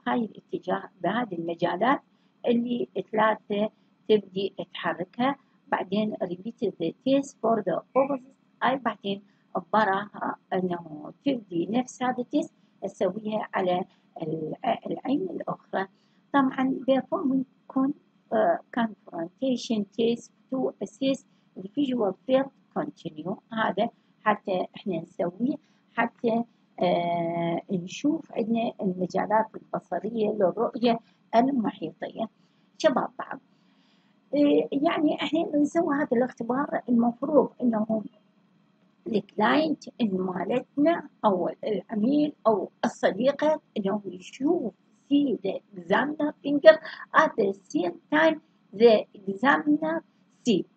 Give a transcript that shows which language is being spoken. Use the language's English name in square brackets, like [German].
[Arabic] هاي الاتجاه بهذه المجالات اللي ثلاثة تبدي تحركها. بعدين [English] repeat the test for the opposite eye. [Arabic] بعدين براها انه تبدي نفس هذا التيست تسويها على العين الاخرى. طبعا [English] performing confrontation test to assist the visual field continue. [Arabic] هذا حتى احنا نسويه حتى نشوف عندنا المجالات البصرية للرؤية المحيطية. شباب بعض يعني احنا نسوي هذا الاختبار المفروض انه الكلاينت مالتنا او العميل او الصديقة انه يشوف في [English] the examiner finger at the same time the examiner see.